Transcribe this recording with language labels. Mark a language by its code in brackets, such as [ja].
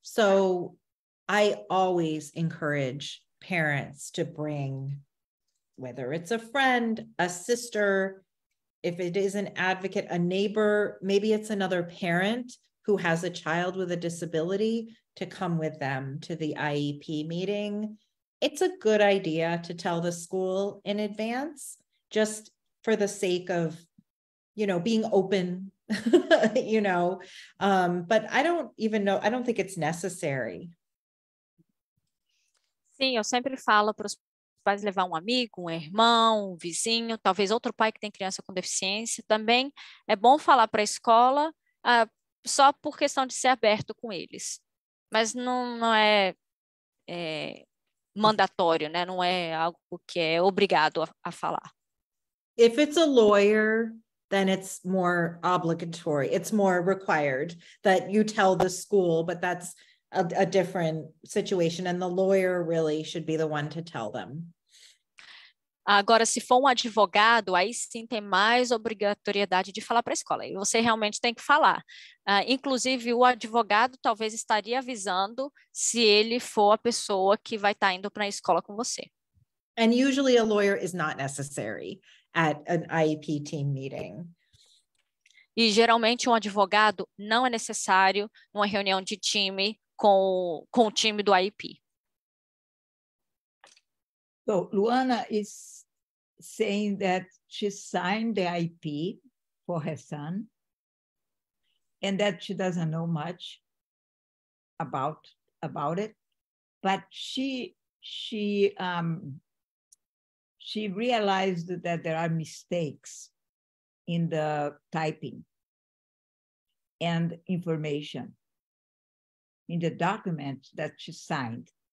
[en] So I always encourage parents to bring, whether it's a friend, a sister, if it is an advocate, a neighbor, maybe it's another parent who has a child with a disability, to come with them to the IEP meeting. It's a good idea to tell the school in advance, just for the sake of, you know, being open, you know, but I don't even know, I don't think it's necessary. [pt] Sim, eu sempre falo para os pais levar um amigo, um irmão, um vizinho, talvez outro pai que tem criança com deficiência também. É bom falar para a escola, só por questão de ser aberto com eles. Mas não é mandatório, né? Não é algo que é obrigado a falar. [en] If it's a lawyer, then it's more obligatory. It's more required that you tell the school, but that's a different situation. And the lawyer really should be the one to tell them. [pt] Agora, se for um advogado, aí sim tem mais obrigatoriedade de falar para a escola. E você realmente tem que falar. Inclusive, o advogado talvez estaria avisando se ele for a pessoa que vai estar indo para a escola com você. [en] And usually a lawyer is not necessary at an IEP team meeting. [pt] E geralmente um advogado não é necessário numa reunião de time com o time do IEP. [en] So Luana is saying that she signed the IEP for her son and that she doesn't know much about about it, but she realized that there are mistakes in the typing and information in the documents that she signed.